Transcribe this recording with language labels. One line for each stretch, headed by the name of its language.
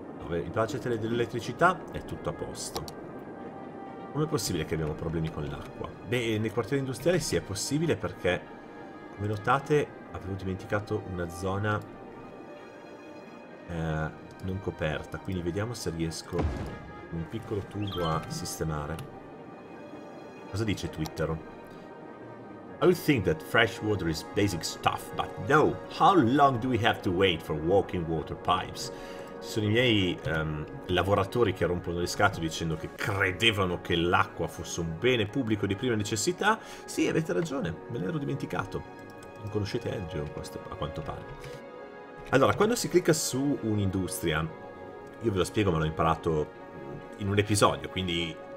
Italian: il budget dell'elettricità è tutto a posto. Com'è possibile che abbiamo problemi con l'acqua? Beh, nei quartieri industriali sì, è possibile perché, come notate, avevo dimenticato una zona non coperta. Quindi vediamo se riesco con un piccolo tubo a sistemare. Cosa dice Twitter?
English: I would think that fresh water is basic stuff, but no! How long do we have to wait for walking water pipes?
Italian: Ci sono i miei lavoratori che rompono le scatole dicendo che credevano che l'acqua fosse un bene pubblico di prima necessità. Sì, avete ragione, me l'ero dimenticato. Non conoscete Andrew, a quanto pare. Allora, quando si clicca su un'industria, io ve lo spiego, ma l'ho imparato in un episodio, quindi...